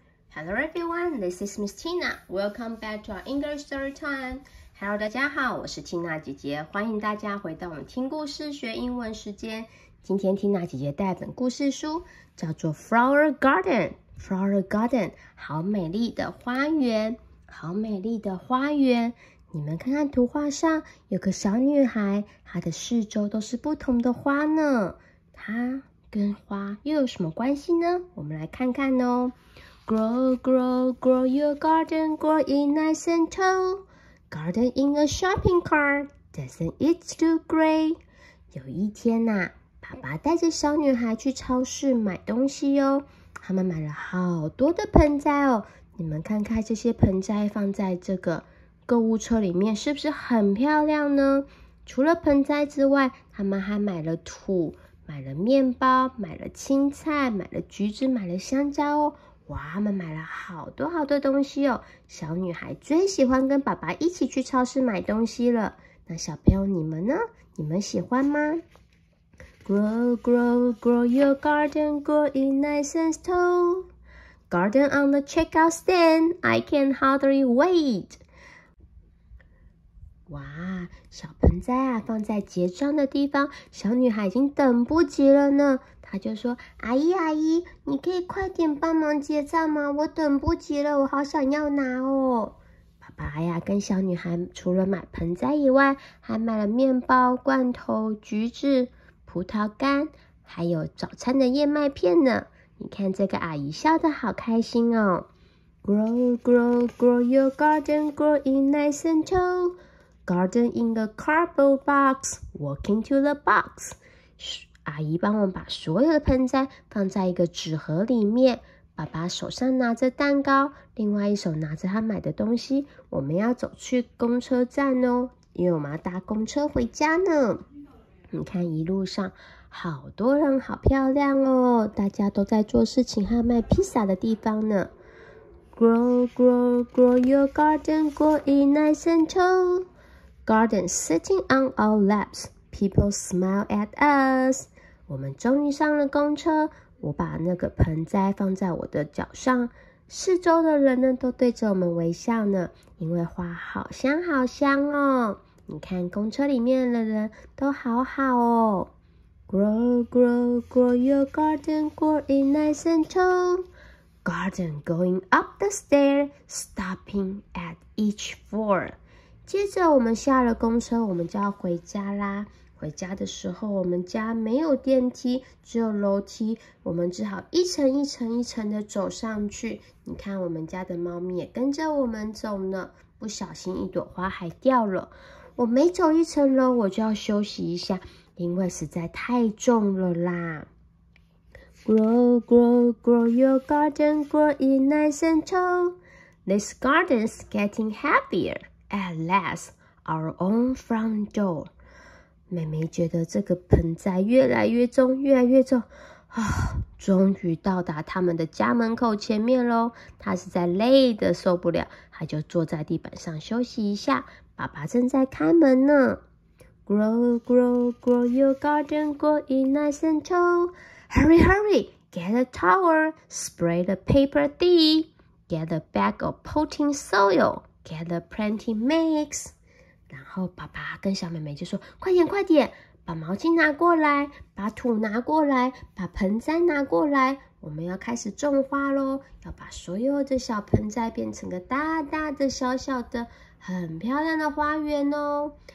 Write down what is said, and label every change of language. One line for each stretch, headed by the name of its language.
English: Hello everyone, this is Miss Tina. Welcome back to our English Story Time. Hello,
Chinese: 大家好，我是 Tina 姐姐，欢迎大家回到我们听故事学英文时间。今天 Tina 姐姐带本故事书，叫做 Flower Garden. Flower Garden, 好美丽的花园，好美丽的花园。你们看看图画上有个小女孩，她的四周都是不同的花呢。她跟花又有什么关系呢？我们来看看哦。
English: Grow, grow, grow your garden, grow it nice and tall. Garden in a shopping cart, doesn't it look great?
Chinese: 有一天啊，爸爸带着小女孩去超市买东西哦。他们买了好多的盆栽哦。你们看看这些盆栽放在这个购物车里面是不是很漂亮呢？除了盆栽之外，他们还买了土，买了面包，买了青菜，买了橘子，买了香蕉哦。哇，他们买了好多好多东西哦。小女孩最喜欢跟爸爸一起去超市买东西了。那小朋友你们呢？你们喜欢吗？
English: Grow, grow, grow your garden, grow it nice and tall. Garden on the checkout stand, I can hardly wait.
Chinese: 哇，小盆栽啊，放在结账的地方，小女孩已经等不及了呢。他就说，阿姨阿姨，你可以快点帮忙结账吗？我等不及了，我好想要拿哦。爸爸呀，跟小女孩除了买盆栽以外，还买了面包、罐头、橘子、葡萄干，还有早餐的燕麦片呢。你看这个阿姨笑得好开心哦。
English: Grow, grow, grow your garden, grow it nice and tall. Garden in a cardboard box, walk into the box.
Chinese: 阿姨帮我们把所有的盆栽放在一个纸盒里面，爸爸手上拿着蛋糕，另外一手拿着他买的东西，我们要走去公车站哦，因为我们要搭公车回家呢。你看一路上好多人，好漂亮哦，大家都在做事情和卖披萨的地方呢。
English: Grow, grow, grow your garden, grow it nice and tall. Garden sitting on our lapsPeople smile at us.
Chinese: 我们终于上了公车，我把那个盆栽放在我的脚上，四周的人呢都对着我们微笑呢，因为花好香好香哦。你看公车里面的人都好好哦。 Grow, grow, grow your garden, grow it nice and tall. Garden going up the stair, stopping at each floor. 接着我们下了公车，我们就要回家啦。回家的时候，我们家没有电梯，只有楼梯，我们只好一层一层一层的走上去。你看我们家的猫咪也跟着我们走呢，不小心一朵花还掉了。我每走一层楼，我就要休息一下，因为实在太重了啦。
English: Grow, grow, grow your garden, grow it nice and tall. This garden's getting happier. At last, our own front door.
Chinese: 妹妹觉得这个盆栽越来越重，越来越重，啊，终于到达他们的家门口前面咯。她实在累得受不了，她就坐在地板上休息一下。爸爸正在开门呢。
English: Grow, grow, grow your garden, grow it nice and tall. Hurry, hurry, get a towel, spray the paper deep. Get a bag of potting soil, get a planting mix.
Chinese: 然后爸爸跟小妹妹就说，快点快点，把毛巾拿过来，把土拿过来，把盆栽拿过来，我们要开始种花咯，要把所有的小盆栽变成个大大的小小的很漂亮的花园哦。